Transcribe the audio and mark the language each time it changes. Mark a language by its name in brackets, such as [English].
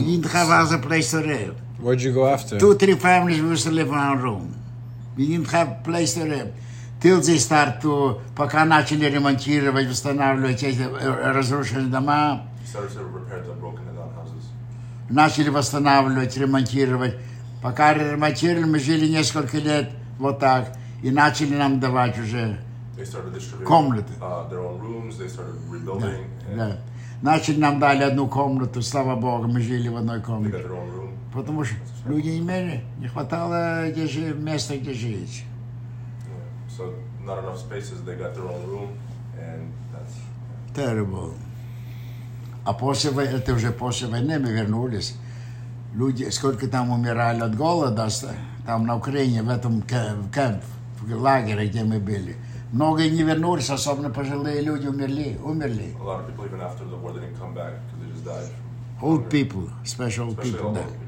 [English] you didn't have other place to live. Where'd you go after? 2-3 families we used to live in our room. We didn't have place to live. Till they start to, [Russian] пока начали ремонтировать, восстанавливать эти разрушенные дома. [English] Started to repair the broken and down houses. [Russian] Начали восстанавливать, ремонтировать. Пока ремонтировали, мы жили несколько лет вот так. И начали нам давать уже комнаты. [English] Their own rooms, they started rebuilding. [Russian] Да, [English] and... [Russian] да. Начали нам дали одну комнату, слава богу, мы жили в одной комнате. [English] They got their own room. [Russian] Потому что люди не имели, не хватало где жить, места, где жить. [English] So not enough spaces, they got their own room, and that's... Terrible. [Russian] А после войны, это уже после войны, мы вернулись. Люди, сколько там умирали от голода, там на Украине, в этом кемп, в лагере, где мы были. Многие не вернулись, особенно пожилые люди умерли, умерли. [English] A lot of people, even after the war, they didn't come back, because they just died. Old people, especially old people, [Russian] да.